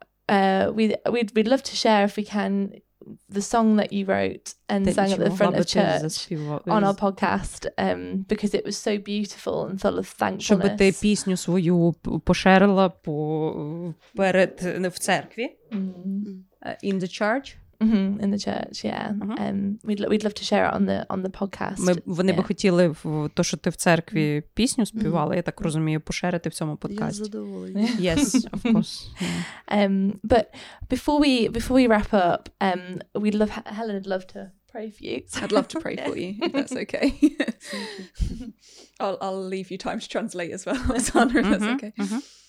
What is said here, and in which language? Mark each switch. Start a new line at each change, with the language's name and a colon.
English: We'd love to share if we can the song that you wrote and that sang at the front of church people, on our podcast because it was so beautiful and full of thankfulness.
Ukrainian: Щоб ти пісню свою поширила по перед в церкві.
English: In the church. Mm-hmm, in the church, yeah. We'd love to share it on the podcast.
Ukrainian: Вони би хотіли то, що ти в церкві пісню співала, я так розумію, поширити в цьому подкасті. Я задоволена.
English: Yes, of course. But before we wrap up, Helen would love to pray for you. So. I'd love to pray for you. If that's okay. I'll leave you time to translate as well, Sandra, if that's okay. Mm-hmm.